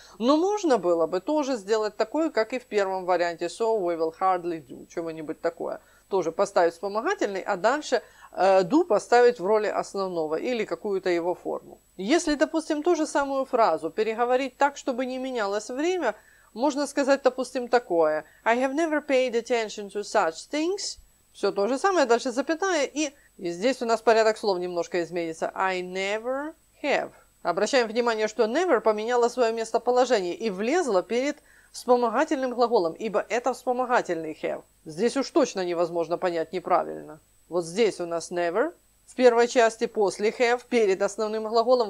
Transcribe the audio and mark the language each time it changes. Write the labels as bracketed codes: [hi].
[ru] Но можно было бы тоже сделать такое, как и в первом варианте, [en] so we will hardly do, [ru] чего-нибудь такое. Тоже поставить вспомогательный, а дальше do поставить в роли основного или какую-то его форму. Если, допустим, ту же самую фразу переговорить так, чтобы не менялось время, можно сказать, допустим, такое. [en] I have never paid attention to such things. [ru] Все то же самое, дальше запятая. И здесь у нас порядок слов немножко изменится. [en] I never have. [ru] Обращаем внимание, что never поменяло свое местоположение и влезло перед вспомогательным глаголом, ибо это вспомогательный have. Здесь уж точно невозможно понять неправильно. Вот здесь у нас never, в первой части после have, перед основным глаголом.